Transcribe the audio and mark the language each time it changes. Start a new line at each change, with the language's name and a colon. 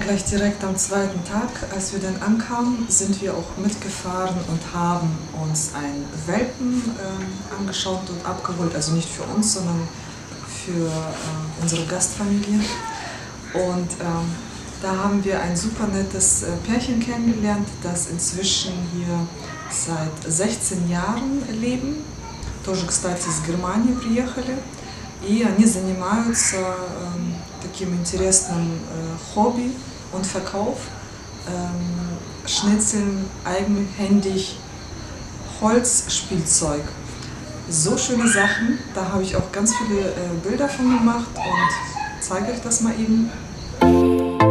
German: direkt am zweiten Tag, als wir dann ankamen, sind wir auch mitgefahren und haben uns einen Welpen angeschaut und abgeholt. Also nicht für uns, sondern für unsere Gastfamilie. Und da haben wir ein super nettes Pärchen kennengelernt, das inzwischen hier seit 16 Jahren leben.
Russian: Тоже, кстати, из Германии приехали. И они занимаются таким интересным
German: Hobby und Verkauf. Schnitzeln eigenhändig Holzspielzeug. So schöne Sachen. Da habe ich auch ganz viele Bilder von gemacht und zeige euch das mal eben.